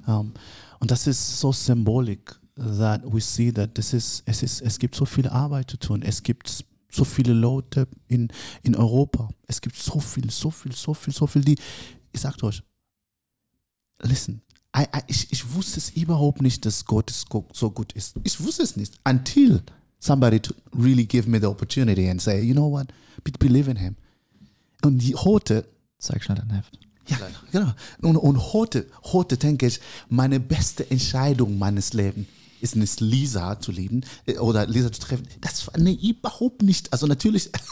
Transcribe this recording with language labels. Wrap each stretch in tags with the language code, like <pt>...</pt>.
<de>Und das ist so</de> <en>symbolic, that we see that this is</en> <de>es gibt so viel Arbeit zu tun. Es gibt so viele Leute in Europa. Es gibt so viel, die, ich sag euch,</de> <en>listen,</en> <de>ich wusste es überhaupt nicht, dass Gott so gut ist. Ich wusste es nicht,</de> <en>until somebody really gave me the opportunity and say, you know what, believe in him.</en> <de>Und heute... Zeig schnell dein Heft. Ja, genau. Und heute denke ich, meine beste Entscheidung meines Lebens ist es, Lisa zu lieben oder Lisa zu treffen. Das war überhaupt nicht, also natürlich...</de>